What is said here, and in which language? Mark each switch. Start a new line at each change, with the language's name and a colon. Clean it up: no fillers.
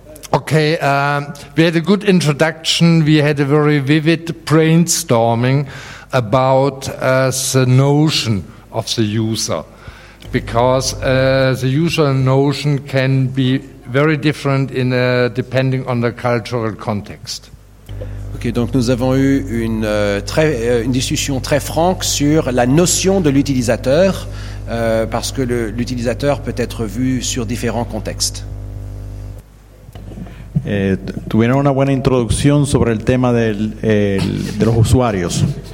English: Okay, we had a good introduction. We had a very vivid brainstorming about the notion of the user, because the user notion can be very different in depending on the cultural context.
French: Okay, donc nous avons eu une discussion très franche sur la notion de l'utilisateur, parce que l'utilisateur peut être vu sur différents contextes.
Spanish: Tuvieron una buena introducción sobre el tema de los usuarios.